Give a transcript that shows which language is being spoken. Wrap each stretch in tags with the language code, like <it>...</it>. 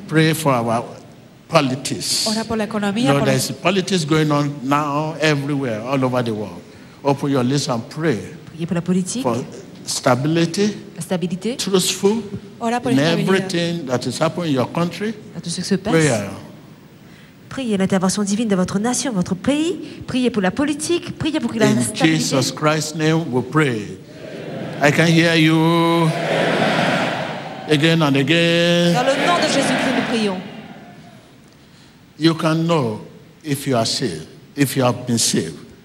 <en>Pray for our politics.</en> <es>Ora por la economía.</es> <en>Lord, there's politics going on now everywhere, all over the world. Open your lips and pray.</en> <fr>Priez pour la politique.</fr> <en>For stability.</en> <fr>La stabilité.</fr> <en>Truthful.</en> <es>Ora por</es> <en>in everything that is happening in your country.</en> <fr>A tout ce qui se passe.</fr> <en>Prayer.</en> <fr>Priez l'intervention divine de votre nation, votre pays. Priez pour la politique. Priez pour la stabilité.</fr> <en>In Jesus Christ's name, we pray. Amen. I can hear you. Amen. Again and again.</en> <fr>Dans le nom de Jésus-Christ, nous prions.</fr> <en>You can know if you are saved, if you have been saved.</en>